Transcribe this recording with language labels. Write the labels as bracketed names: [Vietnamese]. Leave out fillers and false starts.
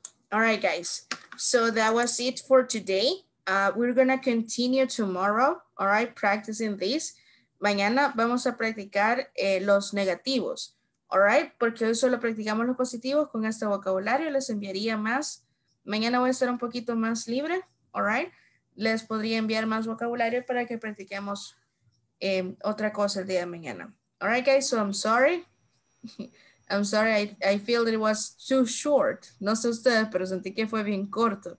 [English] All right, guys. So that was it for today. We're going to continue tomorrow, all right, practicing this. [Spanish] Mañana vamos a practicar los negativos, [English] all right? [Spanish] Porque hoy solo practicamos los positivos con este vocabulario. Les enviaría más. Mañana voy a estar un poquito más libre, [English] all right? [Spanish] Les podría enviar más vocabulario para que practiquemos otra cosa el día de mañana. [English] All right, guys, so I'm sorry. I'm sorry, I feel that it was too short. [Spanish] No sé ustedes, pero sentí que fue bien corto.